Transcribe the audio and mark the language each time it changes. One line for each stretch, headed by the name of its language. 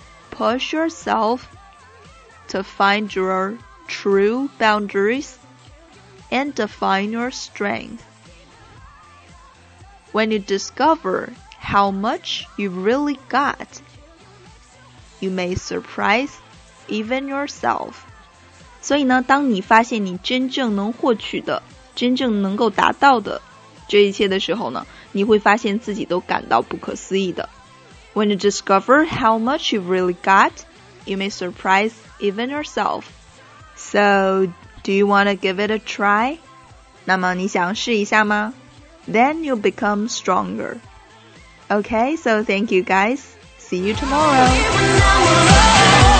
English: Push yourself to find your true boundaries and define your strength. When you discover how much you've really got, you may surprise even yourself.
Chinese: 所以呢，当你发现你真正能获取的、真正能够达到的这一切的时候呢，你会发现自己都感到不可思议的。
English: When you discover how much you've really got, you may surprise even yourself. So, do you want to give it a try?
Chinese: 那么你想试一下吗？
English: Then you'll become stronger. Okay, so thank you guys. See you tomorrow.